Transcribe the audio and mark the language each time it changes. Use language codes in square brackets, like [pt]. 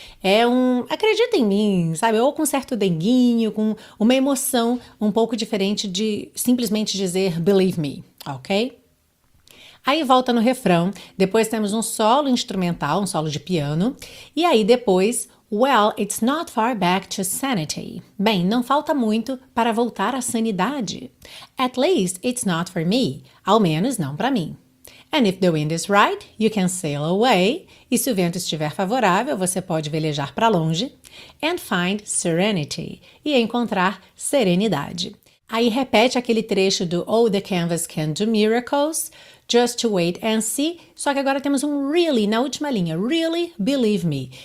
[pt] É um acredita em mim, sabe? Ou com certo denguinho, com uma emoção um pouco diferente de simplesmente dizer [en] believe me, [pt] ok? Aí volta no refrão, depois temos um solo instrumental, um solo de piano, e aí depois, [en] well, it's not far back to sanity. [pt] Bem, não falta muito para voltar à sanidade. [en] At least it's not for me. [pt] Ao menos não para mim. [en] And if the wind is right, you can sail away. [pt] E se o vento estiver favorável, você pode velejar para longe. [en] And find serenity. [pt] E encontrar serenidade. Aí repete aquele trecho do [en] Oh, the canvas can do miracles. Just to wait and see. [pt] Só que agora temos um really na última linha. [en] Really believe me.